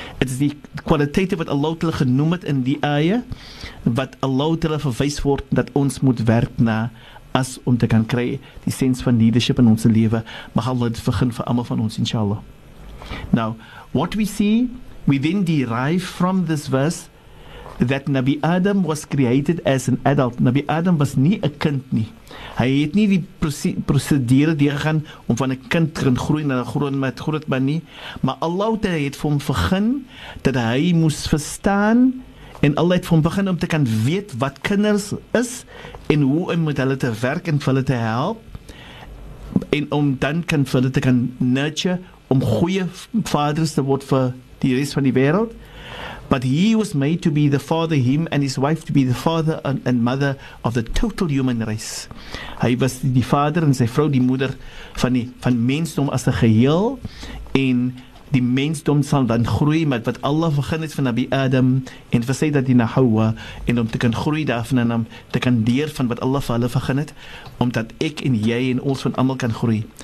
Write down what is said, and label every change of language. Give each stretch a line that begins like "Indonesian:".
English: It is the
Afrikaans: kwaliteite wat Allah Ta'ala genoem het in die aya, wat Allah Ta'ala verwys word dat ons moet werk na as om te kan kry die sens van leadership in ons lewe. Mag Allah dit begin vir almal van ons, inshallah.
English: Now, what we see, we then derive from this verse that Nabi Adam was created as an adult.
Afrikaans: Nabi Adam was nie 'n kind nie. Hy het nie die prosedure deurgegaan om van 'n kind te gaan groei na 'n groot man nie. Maar Allah het vir hom begin dat hy moes verstaan, en Allah het vir hom begin om te kan weet wat kinders is en hoe om met hulle te werk en vir hulle te help, en om dan kan vir hulle te kan nurture om goeie vaders te word vir die res van die wêreld.
English: But he was made to be the father, him and his wife to be the father and mother of the total human race.
Afrikaans: Hy was die vader en sy vrou die moeder van mensdom as 'n geheel, en die mensdom sal dan groei met wat Allah begin het van Nabi Adam en vir sy dat die na Hawa, en om te kan groei daarvan en om te kan leer van wat Allah vir hulle begin het, omdat ek en jy en ons van almal kan groei.